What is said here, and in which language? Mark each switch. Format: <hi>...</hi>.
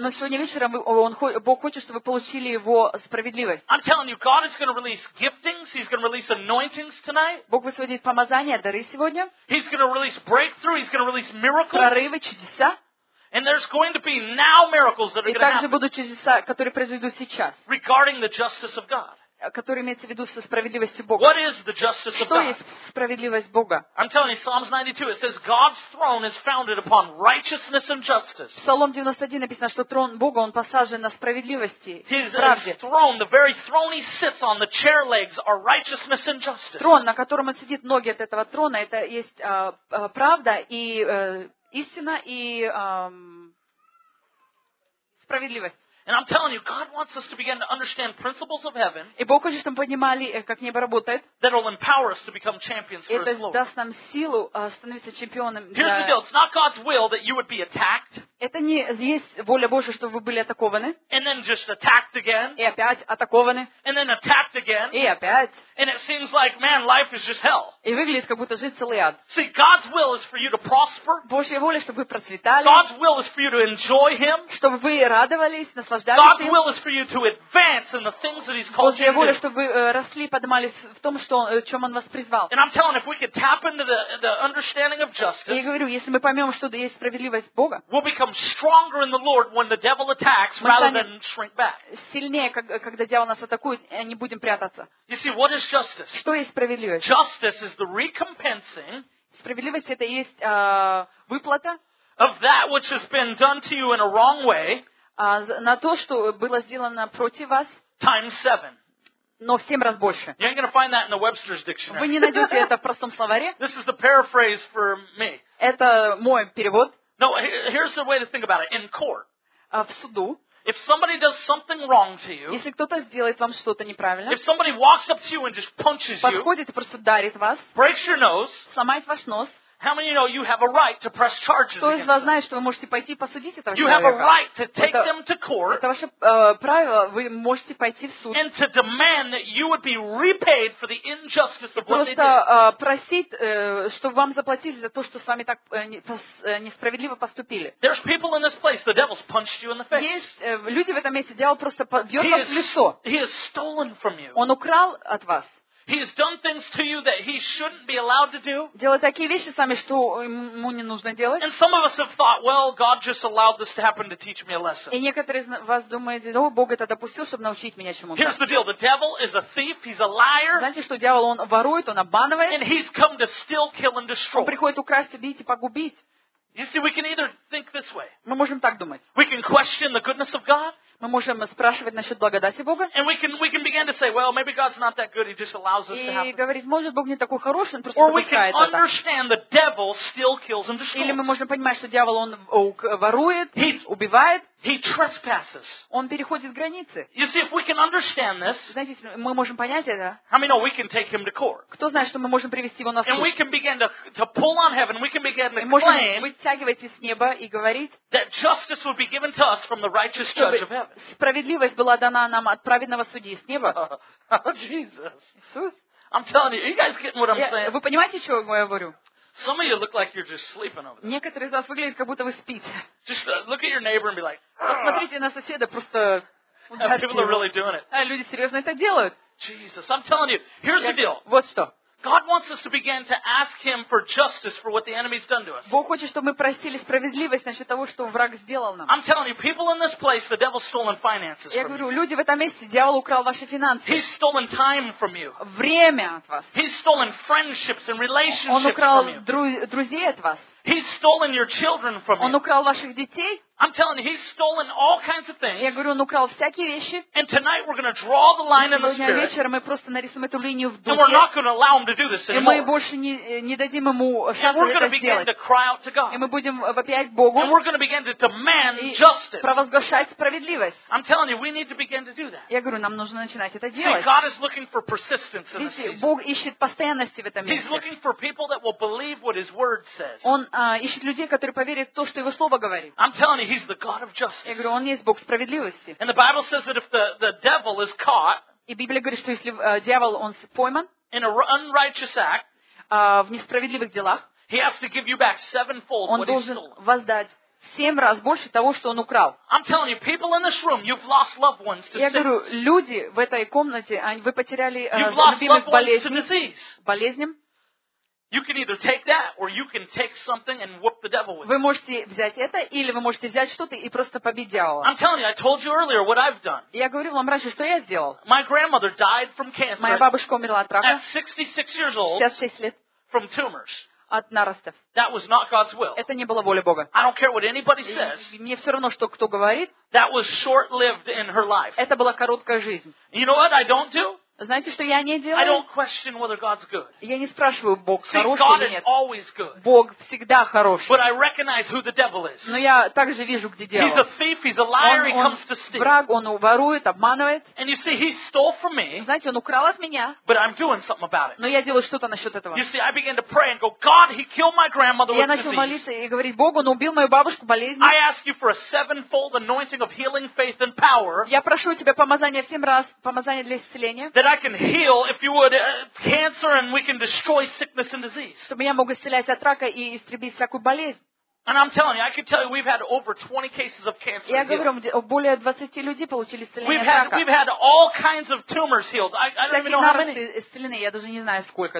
<ru>Но сегодня вечером Бог хочет, чтобы вы получили Его справедливость.</ru> <en>I'm telling you, God is going to release giftings. He's going to release anointings tonight.</en> <ru>Бог высвободит помазания, дары сегодня.</ru> <en>He's going to release breakthrough. He's going to release miracles.</en> <ru>Прорывы, чудеса.</ru> <en>And there's going to be now miracles that are going to happen.</en> <ru>И также будут чудеса, которые произойдут сейчас.</ru> <en>Regarding the justice of God.</en> <ru>Который имеется в виду со справедливостью Бога.</ru> <en>What is the justice of God?</en> <ru>Что есть справедливость Бога?</ru> <en>I'm telling you, Psalms 92, it says, God's throne is founded upon righteousness and justice.</en> <ru>В Псалом 91 написано, что трон Бога, он посажен на справедливости и правде.</ru> <en>His throne, the very throne he sits on, the chair legs, are righteousness and justice.</en> <ru>Трон, на котором он сидит, ноги от этого трона, это есть правда и истина и справедливость.</ru> <en>And I'm telling you, God wants us to begin to understand principles of heaven.</en> <ru>И Бог хочет, чтобы мы понимали, как небо работает.</ru> <en>That will empower us to become champions for His glory.</en> <ru>Это даст нам силу становиться чемпионом.</ru> <en>Here's the deal: it's not God's will that you would be attacked.</en> <ru>Это не есть воля Божья, чтобы вы были атакованы.</ru> <en>And then just attacked again.</en> <ru>И опять атакованы.</ru> <en>And then attacked again.</en> <ru>И опять.</ru> <en>And it seems like, man, life is just hell.</en> <ru>И выглядит, как будто жизнь целый ад.</ru> <en>See, God's will is for you to prosper.</en> <ru>Божья воля, чтобы вы процветали.</ru> <en>God's will is for you to enjoy Him.</en> <ru>Чтобы вы радовались, наслаждались.</ru> <en>God's will is for you to advance in the things that He's called you to do.</en> <ru>Божья воля, чтобы вы росли, поднимались в том, что чем Он вас призвал.</ru> <en>And I'm telling, if we could tap into the understanding of justice.</en> <ru>Я говорю, если мы поймем, что есть справедливость Бога.</ru> <en>We'll become stronger in the Lord when the devil attacks, rather than shrink back.</en> <ru>Сильнее, когда дьявол нас атакует, не будем прятаться.</ru> <en>You see what is justice.</en> <ru>Что есть справедливость?</ru> <en>Justice is the recompensing.</en> <ru>Справедливость это есть выплата.</ru> <en>Of that which has been done to you in a wrong way.</en> <ru>На то, что было сделано против вас.</ru> <en>Times seven.</en> <ru>Но в 7 раз больше.</ru> <en>You ain't gonna find that in the Webster's dictionary.</en> <ru>Вы не найдете это в простом словаре.</ru> <en>This is the paraphrase for me.</en> <ru>Это мой перевод.</ru> <en>No, here's the way to think about it. In court.</en> <ru>В суду.</ru> <en>If somebody does something wrong to you,</en> <ru>если кто-то сделает вам что-то неправильно,</ru> <en>if somebody walks up to you and just punches you,</en> <ru>подходит и просто дарит вас,</ru> <en>breaks your nose,</en> <ru>сломает ваш нос,</ru> <en>how many of you know you have a right to press charges?</en> <ru>Кто из вас знает, что вы можете пойти посудить этого человека?</ru> <en>You have a right to take them to court.</en> <ru>Это ваше право. Вы можете пойти в суд.</ru> <en>And to demand that you would be repaid for the injustice of what they did.</en> <ru>Просто просить, чтобы вам заплатили за то, что с вами так несправедливо поступили.</ru> <en>There's people in this place. The devil's punched you in the face.</en> <ru>Есть люди в этом месте. Дьявол просто бьет вас в лицо.</ru> <en>He has stolen from you.</en> <ru>Он украл от вас.</ru> <en>He has done things to you that he shouldn't be allowed to do.</en> <ru>Делать такие вещи с вами, что ему не нужно делать.</ru> <en>And some of us have thought, well, God just allowed this to happen to teach me a lesson.</en> <ru>И некоторые из вас думают, о, Бог это допустил, чтобы научить меня чему-то.</ru> <en>Here's the deal: the devil is a thief. He's a liar.</en> <ru>Знаете, что дьявол он ворует, он обманывает.</ru> <en>And he's come to steal, kill, and destroy.</en> <ru>Он приходит украсть, убить и погубить.</ru> <en>You see, we can either think this way.</en> <ru>Мы можем так думать.</ru> <en>We can question the goodness of God.</en> <ru>Мы можем спрашивать насчет благодати Бога.</ru> <en>And we can begin to say, well, maybe God's not that good, he just allows us to happen.</en> <ru>И говорить, может, Бог не такой хороший, он просто допускает это.</ru> <en>Or we can understand the devil still kills and destroys.</en> <ru>Или мы можем понимать, что дьявол он ворует, убивает.</ru> <en>He trespasses.</en> <ru>Он переходит границы.</ru> <en>You see, if we can understand this,</en> <ru>знаете, мы можем понять это.</ru> <en>How many know we can take him to court?</en> <ru>Кто знает, что мы можем привести его на суд?</ru> <en>And we can begin to pull on heaven. We can begin to claim.</en> <ru>Мы можем вытягивать из неба и говорить.</ru> <en>That justice would be given to us from the righteous judge of heaven.</en> <ru>Справедливость была дана нам от праведного судьи с неба.</ru> <en>Jesus. I'm telling you, are you guys getting what I'm saying?</en> <ru>Вы понимаете, что я говорю?</ru> <en>Some of you look like you're just sleeping over there.</en> <ru>Некоторые из вас выглядят, как будто вы спите.</ru> <en>Just look at your neighbor and be like.</en> <ru>Посмотрите на соседа, просто.</ru> <en>People are really doing it.</en> <ru>Люди серьезно это делают.</ru> <en>Jesus, I'm telling you, here's the deal.</en> <ru>Вот что.</ru> <en>God wants us to begin to ask Him for justice for what the enemy's done to us.</en> <ru>Бог хочет, чтобы мы просили справедливость насчет того, что враг сделал нам.</ru> <en>I'm telling you, people in this place, the devil's stolen finances from you.</en> <ru>Я говорю, люди в этом месте, дьявол украл ваши финансы.</ru> <en>He's stolen time from you.</en> <ru>Время от вас.</ru> <en>He's stolen friendships and relationships from you.</en> <ru>Он украл друзей от вас.</ru> <en>He's stolen your children from you.</en> <ru>Он украл ваших детей.</ru> <en>I'm telling you, he's stolen all kinds of things.</en> <ru>Я говорю, он украл всякие вещи.</ru> <en>And tonight we're going to draw the line in the spirit.</en> <ru>Сегодня вечером мы просто нарисуем эту линию в духе.</ru> <en>And we're not going to allow him to do this anymore.</en> <ru>И мы больше не дадим ему шанса это сделать.</ru> <en>And we're going to begin to cry out to God.</en> <ru>И мы будем вопиять Богу.</ru> <en>And we're going to begin to demand justice.</en> <ru>И провозглашать справедливость.</ru> <en>I'm telling you, we need to begin to do that.</en> <ru>Я говорю, нам нужно начинать это делать.</ru> <en>See, God is looking for persistence in this season.</en> <ru>Бог ищет постоянности в этом месте.</ru> <en>He's looking for people that will believe what His Word says.</en> <ru>Он ищет людей, которые поверят в то, что Его Слово говорит.</ru> <en>I'm telling you, He's the God of justice.</en> <ru>Я говорю, он есть Бог справедливости.</ru> <en>And the Bible says that if the devil is caught,</en> <ru>и Библия говорит, что если дьявол он пойман,</ru> <en>in an unrighteous act,</en> <ru>в несправедливых делах,</ru> <en>he has to give you back sevenfold what he stole.</en> <ru>Он должен воздать семь раз больше того, что он украл.</ru> <en>I'm telling you, people in this room, you've lost loved ones to sin.</en> <ru>Я говорю, люди в этой комнате, вы потеряли любимых болезням.</ru> <en>You can either take that, or you can take something and whoop the devil with it.</en> <ru>Вы можете взять это, или вы можете взять что-то и просто побить дьявола.</ru> <en>I'm telling you, I told you earlier what I've done.</en> <ru>Я говорил вам раньше, что я сделал.</ru> <en>My grandmother died from cancer.</en> <ru>Моя бабушка умерла от рака.</ru> <en>At 66 years old.</en> <ru>66 лет.</ru> <en>From tumors.</en> <ru>От наростов.</ru> <en>That was not God's will.</en> <ru>Это не было воли Бога.</ru> <en>I don't care what anybody says.</en> <ru>Мне все равно, что кто говорит.</ru> <en>That was short-lived in her life.</en> <ru>Это была короткая жизнь.</ru> <en>You know what I don't do?</en> <ru>Знаете, что я не делаю?</ru> <en>I don't question whether God's good.</en> <ru>Я не спрашиваю, Бог</ru> <en>See,</en> <ru>хороший</ru> <en>God</en> <ru>или нет.</ru> <en>Is always good.</en> <ru>Бог всегда хороший.</ru> <en>But I recognize who the devil is.</en> <ru>Но я также вижу, где дьявол.</ru> <en>He's a thief, he's a liar, he comes to steal.</en> <ru>Враг, он ворует, обманывает.</ru> <en>And you see, he stole from me.</en> <ru>Знаете, он украл от меня.</ru> <en>But I'm doing something about it.</en> <ru>Но я делаю что-то насчет этого.</ru> <en>You see, I began to pray and go, God, he killed my grandmother with</en> <ru>Я начал молиться и говорить, Богу, он убил мою бабушку болезнью.</ru> <en>I ask you for a sevenfold anointing of healing, faith and power.</en> <ru>Я прошу у тебя помазание в семь раз, помазание для исцеления.</ru> <en>That I can heal, if you would, cancer, and we can destroy sickness and disease.</en> <ru>Чтобы я мог исцелять от рака и истребить всякую болезнь.</ru> <en>And I'm telling you, I can tell you, we've had over 20 cases of cancer.</en> <ru>Я говорю, более 20 людей получили исцеление от рака.</ru> <en>We've had all кinds of tumors healed. I don't even know how many.</en> <ru>Исцелены, я даже не знаю сколько.</ru>